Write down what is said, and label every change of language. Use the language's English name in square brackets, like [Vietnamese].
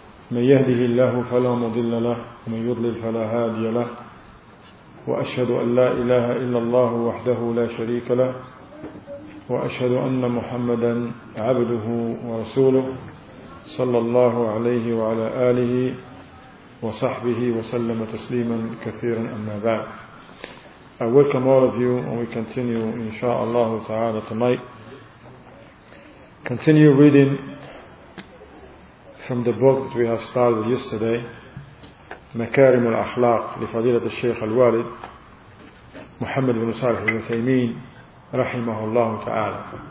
[Arabic] من يهده الله فلا مضل له ومن يضلل فلا هادي له، وأشهد أن لا إله إلا الله وحده لا شريك له، وأشهد أن محمدا عبده ورسوله صلى الله عليه وعلى آله وصحبه وسلم تسليما كثيرا. أما بعد، [English] I welcome all of you and we continue [Arabic] إن شاء الله تعالى [English] tonight. Continue reading from the book that we have started yesterday, [Arabic] مكارم الأخلاق لفضيلة الشيخ الوالد محمد بن صالح العثيمين رحمه الله تعالى.